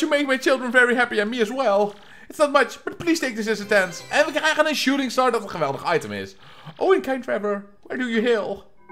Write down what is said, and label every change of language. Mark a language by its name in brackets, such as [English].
[English] You make my children very happy and me as well. It's not much, but please take this as a tent. [Dutch] En we krijgen een shooting star dat een geweldig item is. [English] Oh, and kind Trevor, where do you hail?